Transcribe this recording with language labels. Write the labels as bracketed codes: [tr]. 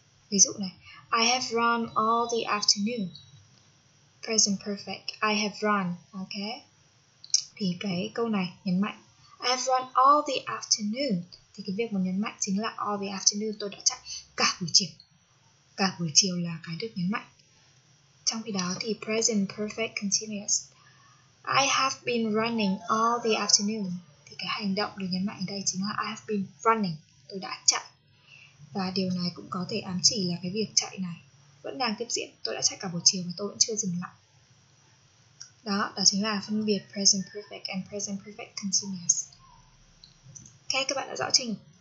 [vi] Ví dụ này, [en] I have run all the afternoon. Present perfect, I have run, ok? [vi] Thì cái câu này nhấn mạnh, [en] I have run all the afternoon. [vi] Thì cái việc mà nhấn mạnh chính là [en] all the afternoon, [vi] tôi đã chạy cả buổi chiều. Cả buổi chiều là cái được nhấn mạnh. Trong khi đó thì [en] present perfect continuous, I have been running all the afternoon. [vi] Cái hành động được nhấn mạnh ở đây chính là [en] I have been running, [vi] tôi đã chạy. Và điều này cũng có thể ám chỉ là cái việc chạy này vẫn đang tiếp diễn, tôi đã chạy cả buổi chiều và tôi vẫn chưa dừng lại. Đó chính là phân biệt present perfect and present perfect continuous. Ok, các bạn đã rõ trình.